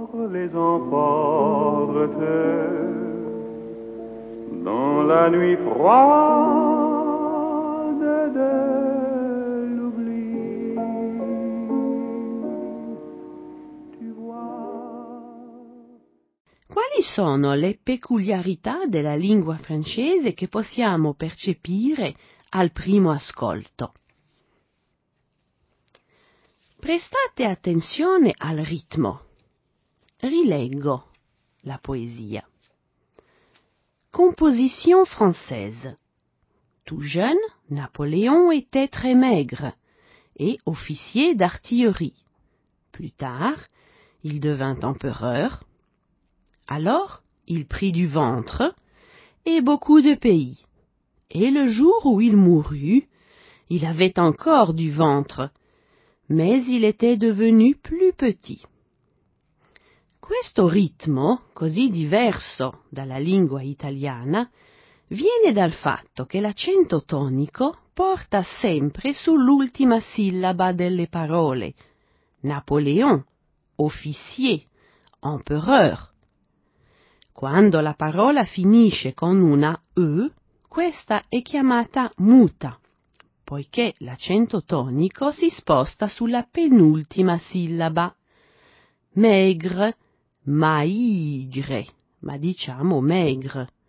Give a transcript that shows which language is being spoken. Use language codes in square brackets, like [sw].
[fr] Les emportait dans la nuit froide de l'oubli. Tu vois. [it] Quali sono le peculiarità della lingua francese che possiamo percepire al primo ascolto? Prestate attenzione al ritmo. Rileggo la poesia. [fr] Composition française. Tout jeune, Napoléon était très maigre et officier d'artillerie. Plus tard, il devint empereur. Alors, il prit du ventre et beaucoup de pays. Et le jour où il mourut, il avait encore du ventre, mais il était devenu plus petit. [it] Questo ritmo, così diverso dalla lingua italiana, viene dal fatto che l'accento tonico porta sempre sull'ultima sillaba delle parole. [fr] Napoléon, officier, empereur. [it] Quando la parola finisce con una E, questa è chiamata muta, poiché l'accento tonico si sposta sulla penultima sillaba. [fr] Maigre, maigre, [it] ma diciamo [fr] maigre.